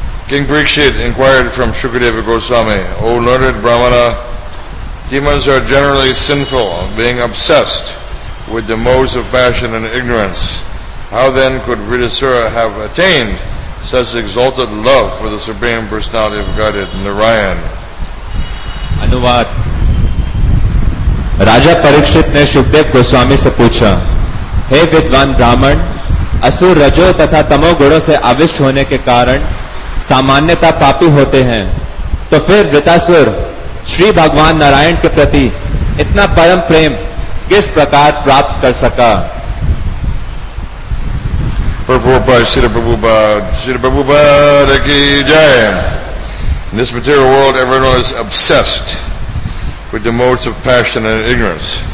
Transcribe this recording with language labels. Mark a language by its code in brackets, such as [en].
[en] King Parikshit inquired from Shukadeva Goswami, O learned Brahmana, demons are generally sinful, being obsessed with the modes of passion and ignorance. How then could Vritasura have attained such exalted love for the Supreme Personality of Godhead, Narayan? [hi] Anuvad. Raja Parikshit ne Shukadev Goswami se pucha, हे विद्वान ब्राह्मण, असुर रजो तथा तमो गुणों से आविष्ट होने के कारण सामान्यतः पापी होते हैं, तो फिर वृतासुर श्री भगवान नारायण के प्रति इतना परम प्रेम किस प्रकार प्राप्त कर सका? प्रभुपाद श्री प्रभुपाद की जय। [en] In this material world, everyone is obsessed with the modes of passion and ignorance.